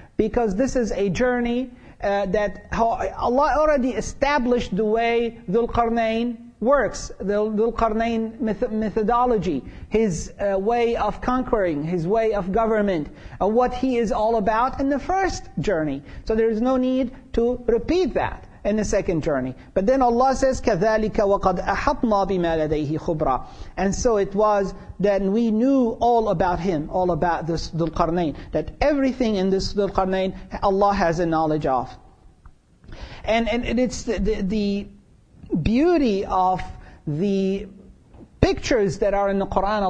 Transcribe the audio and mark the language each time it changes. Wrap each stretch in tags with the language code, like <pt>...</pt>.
<en>Because this is a journey that Allah already established the way Dhul-Qarnayn works, the Dhul-Qarnayn methodology, his way of conquering, his way of government, and what he is all about in the first journey. So there is no need to repeat that in the second journey. But then Allah says,</en> <ar>كَذَلِكَ وَقَدْ أَحَطْنَا بِمَا لَدَيْهِ خُبْرًا.</ar> <en>And so it was that we knew all about him, all about this Dhul-Qarnayn, that everything in this Dhul-Qarnayn, Allah has a knowledge of. And it's the beauty of the pictures that are in the Qur'an.</en>